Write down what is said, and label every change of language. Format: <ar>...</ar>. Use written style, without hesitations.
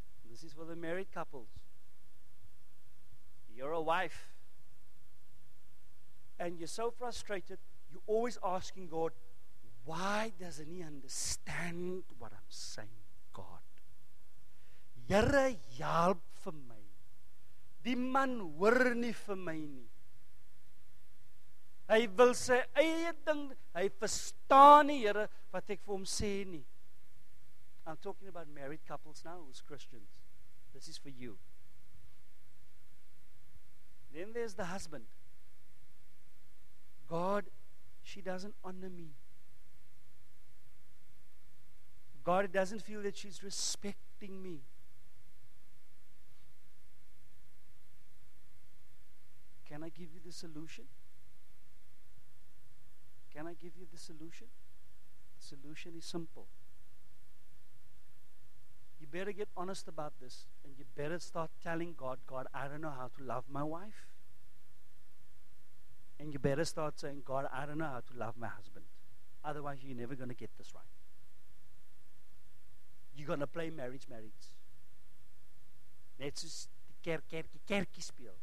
<en>This is for the married couples. You're a wife. And you're so frustrated, you're always asking God, why doesn't he understand what I'm saying, God? Here, help for me.</en> <af>Die man hoor nie vir my nie. Hy wil sy eie ding, hy verstaan nie, Here, wat ek vir hom sê nie.</af> <en>I'm talking about married couples now, who's Christians. This is for you. Then there's the husband. God, she doesn't honor me. God doesn't feel that she's respecting me. Can I give you the solution? Can I give you the solution? The solution is simple. You better get honest about this and you better start telling God, God, I don't know how to love my wife. And you better start saying, God, I don't know how to love my husband. Otherwise, you're never going to get this right. You're going to play marriage.</en> <af>Net soos die kerkie speel.</af>